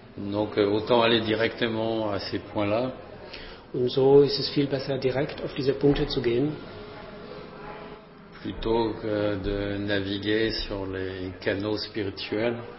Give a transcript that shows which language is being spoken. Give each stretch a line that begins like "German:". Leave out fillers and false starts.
French: Donc autant aller directement à ces points-là.
German: Und so ist es viel besser, direkt auf diese Punkte zu gehen.
French: Plutôt que de naviguer sur les canaux spirituels.